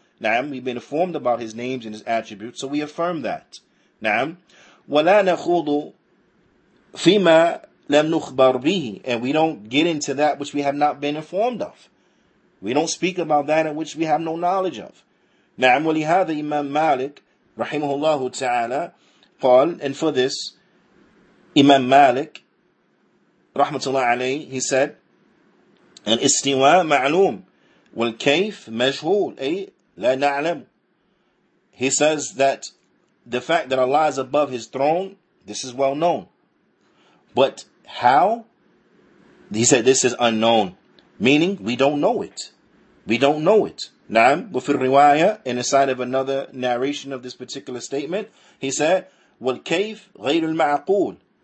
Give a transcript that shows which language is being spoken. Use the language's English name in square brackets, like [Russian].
[English] Na'am, we've been informed about His names and His attributes, so we affirm that. Na'am. [Arabic] وَلَا نَخُوضُ فِي مَا لَمْ نُخْبَرْ بِهِ. [English] And we don't get into that which we have not been informed of. We don't speak about that in which we have no knowledge of. [Arabic] نعم ولهذا إمام مالك رحمه الله تعالى قال, [English] and for this, [Arabic] إمام مالك رحمة الله عليه, [English] he said, [Arabic] الاستواء معلوم والكيف مجهول أي لا نعلم. [English] He says that the fact that Allah is above His throne, this is well known. But how? He said this is unknown. Meaning, we don't know it. We don't know it. نعم, [Arabic] وفي الرواية, [English] in the side of another narration of this particular statement, he said, [Arabic] والكيف غير المعقول.